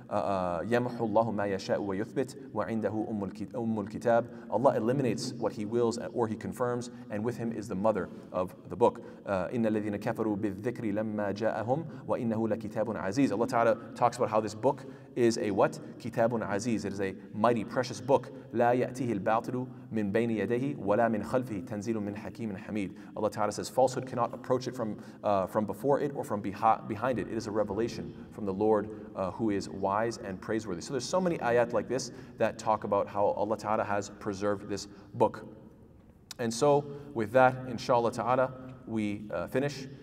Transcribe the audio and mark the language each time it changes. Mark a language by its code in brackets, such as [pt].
[ar] يَمْحُ اللَّهُ مَا يَشَاءُ وَيُثْبِتْ وَعِنْدَهُ أُمُّ الْكِتَابِ. [en] Allah eliminates what He wills or He confirms, and with Him is the mother of the book. [ar] إِنَّ الَّذِينَ كَفَرُوا بِالذِّكْرِ لَمَّا جَاءَهُمْ وَإِنَّهُ لَكِتَابٌ عَزِيزٌ. [en] Allah Ta'ala talks about how this book is a what? Kitabun Aziz. It is a mighty, precious book. [ar] لا يأتيه الباطل من بين يديه ولا من خلفه تنزيل من حكيم حميد. [en] Allah Ta'ala says, falsehood cannot approach it from before it or from behind it. It is a revelation from the Lord who is wise and praiseworthy. So there's so many ayat like this that talk about how Allah Ta'ala has preserved this book. And so with that, inshallah Ta'ala, we finish.